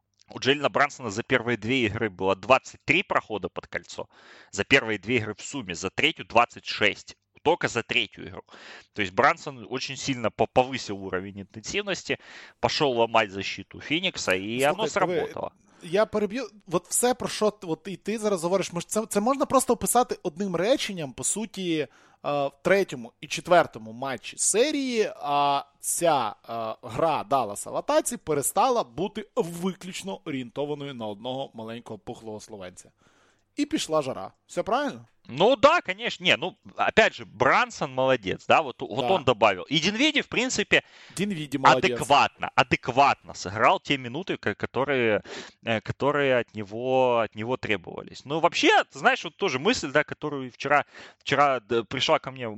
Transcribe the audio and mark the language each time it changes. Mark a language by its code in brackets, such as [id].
[ru] У Джейлена Брансона за первые две игры было 23 прохода под кольцо. За первые две игры в сумме. За третью 26. Только за третью игру. То есть Брансон очень сильно повысил уровень интенсивности. Пошел ломать защиту Феникса. И сколько, оно сработало. [uk] Я переб'ю, от все, про що от і ти зараз говориш, це можна просто описати одним реченням, по суті, в третьому і четвертому матчі серії, а ця гра Далласа в атаці перестала бути виключно орієнтованою на одного маленького пухлого словенця. І пішла жара. Все правильно? [ru] Ну да, конечно. Не, ну опять же, Брансон молодец, да, вот да. Он добавил. И Динвиди, в принципе, Динвиди адекватно сыграл те минуты, которые от него требовались. Ну, вообще, знаешь, вот тоже мысль, да, которую вчера пришла ко мне.